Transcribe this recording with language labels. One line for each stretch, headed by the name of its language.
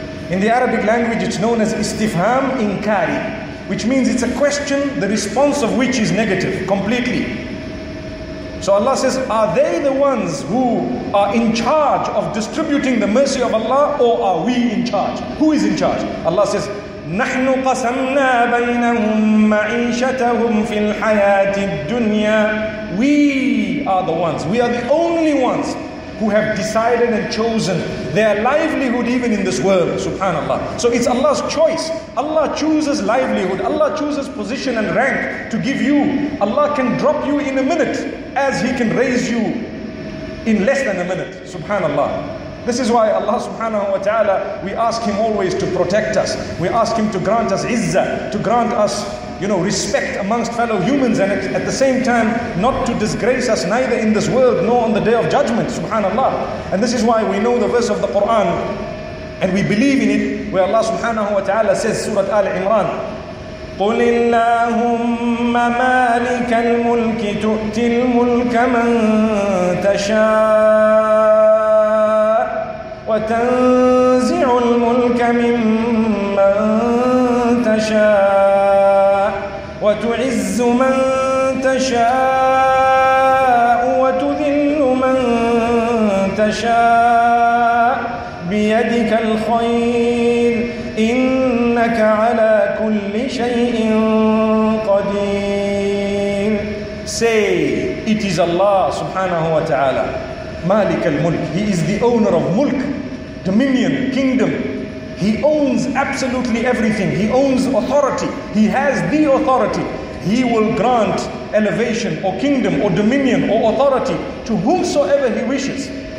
English: In the Arabic language, it's known as istifham inkari, which means it's a question, the response of which is negative, completely. So Allah says, are they the ones who are in charge of distributing the mercy of Allah, or are we in charge? Who is in charge? Allah says,
Arabic: نحن قسمنا بينهم معيشتهم في الحياة الدنيا.
English: We are the ones, we are the only ones who have decided and chosen their livelihood even in this world, subhanallah. So it's Allah's choice. Allah chooses livelihood. Allah chooses position and rank to give you. Allah can drop you in a minute as He can raise you in less than a minute, subhanallah. This is why Allah subhanahu wa ta'ala, we ask Him always to protect us. We ask Him to grant us izzah, to grant us, you know, respect amongst fellow humans, and at the same time not to disgrace us neither in this world nor on the day of judgment, subhanallah. And this is why we know the verse of the Quran and we believe in it, where Allah subhanahu wa ta'ala says, Surah Al-Imran,
Arabic: قل اللهم مالك الملك تؤتي الملك من تشاء وتنزع الملك ممن تشاء وتعز من تشاء وتذل من تشاء بيدك الخير إنك على كل شيء قدير.
English: Say, it is Allah subhanahu wa ta'ala, Malik al-Mulk. He is the owner of mulk, dominion, kingdom. He owns absolutely everything. He owns authority. He has the authority. He will grant elevation or kingdom or dominion or authority to whomsoever He wishes.